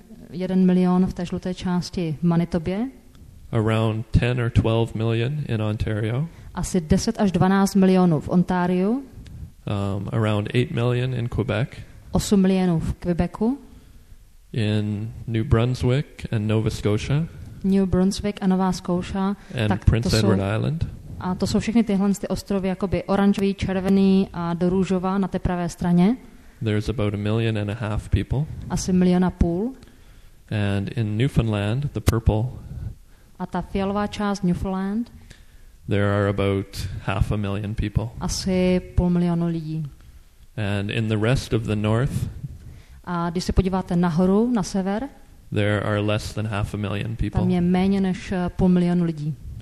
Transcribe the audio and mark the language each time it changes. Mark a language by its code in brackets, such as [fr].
[cs] 1 milion v té žluté části Manitobě. [en] Around 10 or 12 million in Ontario. [cs] Asi 10 až 12 milionů v Ontariu. [en] Around 8 million in Quebec. [cs] 8 milionů v Quebecu. [en] In New Brunswick and Nova Scotia. [cs] New Brunswick a Nová Scotia. [en] And tak Prince Edward Island. [cs] A to jsou všechny tyhle ty ostrovy, jakoby oranžový, červený a do růžová na té pravé straně. [en] There's about a million and a half people. [cs] Asi milion a půl. [en] And in Newfoundland, the purple. [cs] A ta fialová část Newfoundland. [en] There are about half a million people. [cs] Asi půl milionu lidí. [en] And in the rest of the north. [cs] A když se podíváte nahoru na sever. [en] There are less than half a million people. [cs] Tam je méně než půl milionu lidí.